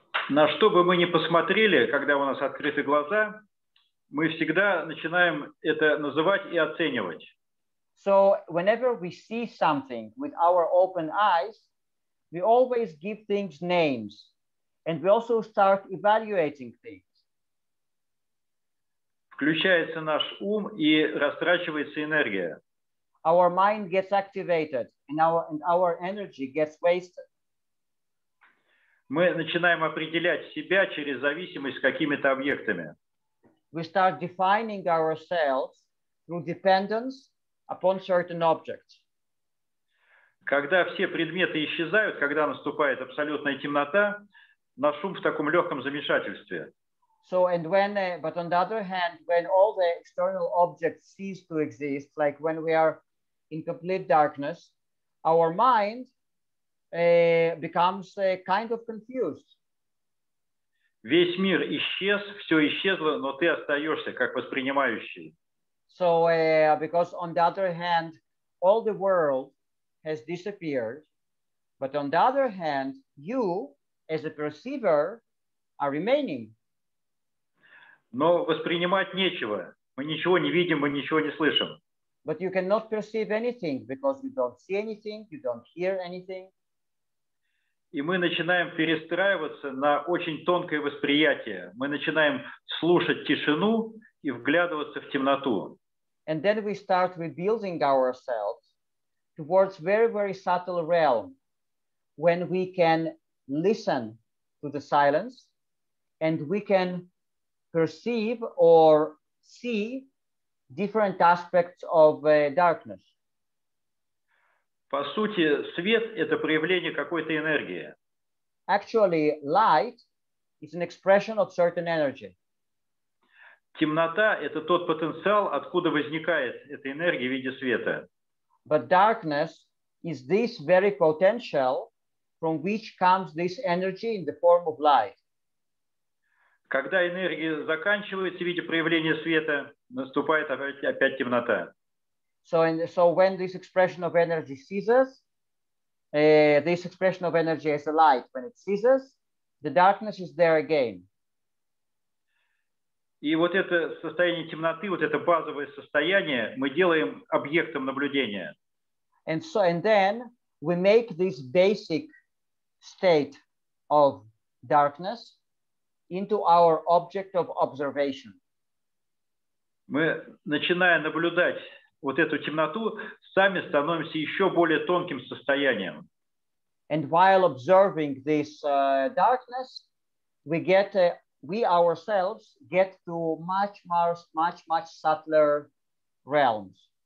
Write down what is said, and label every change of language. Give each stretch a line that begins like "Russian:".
Russian: На что бы мы ни посмотрели, когда у нас открыты глаза, мы всегда начинаем это называть и оценивать.
English: So whenever we see something with our open eyes, we always give things names, and we also start evaluating things.
Russian: Включается наш ум и растрачивается энергия.
English: Our mind gets activated and our energy gets wasted.
Russian: Мы начинаем определять себя через зависимость с какими-то объектами.
English: We start defining ourselves through dependence upon certain objects.
Russian: Когда все предметы исчезают, когда наступает абсолютная темнота, наш ум в таком легком замешательстве.
English: So and when, but on the other hand, when all the external objects cease to exist, like when we are in complete darkness, our mind becomes kind of confused.
Russian: Весь мир исчез, все исчезло, но ты остаешься как воспринимающий.
English: So because on the other hand, all the world has disappeared, but on the other hand, you as a perceiver are remaining.
Russian: Но воспринимать нечего. Мы ничего не видим, мы ничего не слышим.
English: But you cannot perceive anything because you don't see anything, you don't hear anything.
Russian: И мы начинаем перестраиваться на очень тонкое восприятие. Мы начинаем слушать тишину и вглядываться в темноту.
English: And then we start rebuilding ourselves towards very, very subtle realm when we can listen to the silence and we can perceive or see different aspects of darkness.
Russian: По сути, свет – это проявление какой-то энергии.
English: Actually, light is an expression of certain energy.
Russian: Темнота – это тот потенциал, откуда возникает эта энергия в виде света.
English: But darkness is this very potential from which comes this energy in the form of light.
Russian: Когда энергия заканчивается в виде проявления света, наступает опять темнота.
English: So when this expression of energy ceases, this expression of energy as a light, when it ceases, the darkness is there again.
Russian: И вот это состояние темноты, вот это базовое состояние, мы делаем объектом наблюдения.
English: And then we make this basic state of darkness into our object of observation.
Russian: Мы, начиная наблюдать вот эту темноту, сами становимся еще более тонким состоянием.
English: And while observing this darkness, we ourselves get to much subtler realms.